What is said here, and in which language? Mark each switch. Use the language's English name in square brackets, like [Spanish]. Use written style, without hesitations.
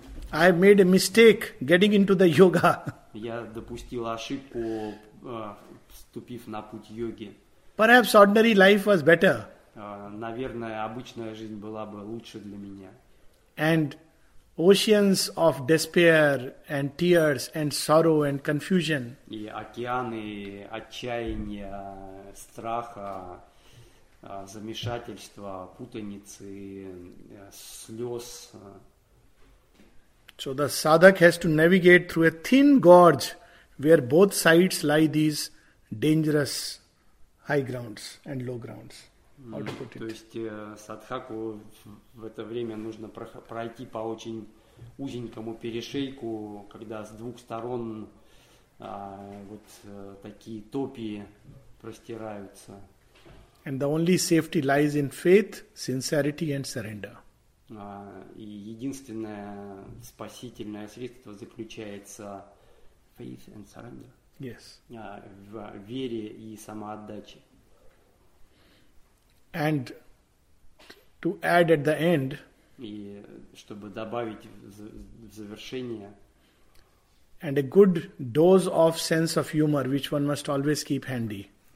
[English] I made a mistake getting into the yoga. [Russian] Я допустил ошибку, вступив на путь йоги. [English] Perhaps ordinary life was better. [Russian] Наверное, обычная жизнь была бы лучше для меня. [English] And oceans of despair and tears and sorrow and confusion. [Russian] И океаны отчаяния, страха, замешательства, путаницы, слез. [English] So the sadhak has to navigate through a thin gorge where both sides lie these dangerous high grounds and low grounds. How to put it? [Russian] То есть садхаку в это время нужно пройти по очень узенькому перешейку, когда с двух сторон такие топи простираются. [English] And the only safety lies in faith, sincerity and surrender. [Russian] И единственное спасительное средство заключается [English] faith and surrender. Yes. [Russian] В вере и самоотдаче. [English] And to add at the end. [Russian] И чтобы добавить в завершение. [English] And a good dose of sense of humor, which one must always keep handy.